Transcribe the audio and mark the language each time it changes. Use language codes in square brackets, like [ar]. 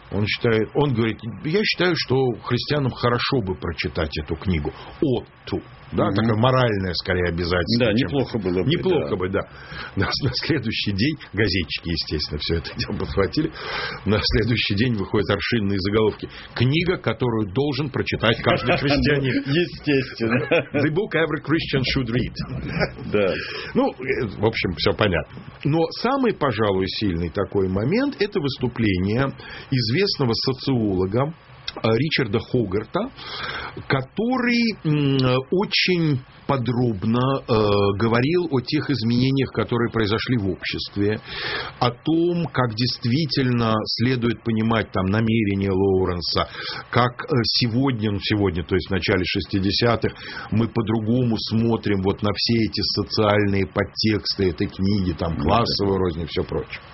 [ru] Он считает, он говорит, я считаю, что христианам хорошо бы прочитать эту книгу. Отту. Да, такое моральное, скорее, обязательство. Да, неплохо было бы. Неплохо бы, да. На следующий день, газетчики, естественно, все это дело подхватили, на следующий день выходят аршинные заголовки. Книга, которую должен прочитать каждый христианин. Естественно. [en] The book every Christian should read. [ru] Да. Ну, в общем, все понятно. Но самый, пожалуй, сильный такой момент, это выступление известного социолога Ричарда Хогарта, который очень подробно говорил о тех изменениях, которые произошли в обществе, о том, как действительно следует понимать там намерения Лоуренса, как сегодня, то есть в начале 60-х, мы по-другому смотрим вот на все эти социальные подтексты этой книги, там классовая рознь и все прочее.